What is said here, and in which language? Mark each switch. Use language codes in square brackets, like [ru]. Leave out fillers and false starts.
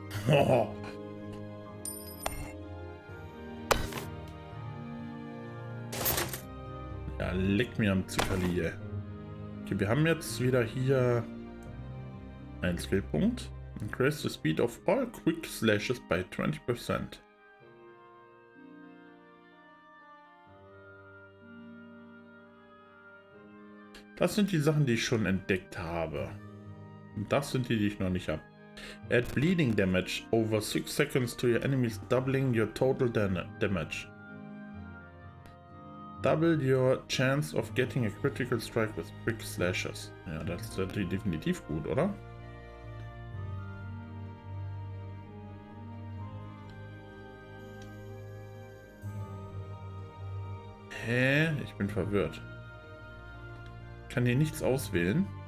[de] Oh. Ja, leck mir am Zuckerli. Okay, wir haben jetzt wieder hier ein Skillpunkt. [en] Increase the speed of all quick slashes by 20%. [de] Das sind die Sachen, die ich schon entdeckt habe. Und das sind die, die ich noch nicht habe. [en] Add bleeding damage over 6 seconds to your enemies, doubling your total damage. Double your chance of getting a critical strike with quick slashes. [de] Ja, das ist natürlich definitiv gut, oder? Hä? Ich bin verwirrt. Ich kann hier nichts auswählen.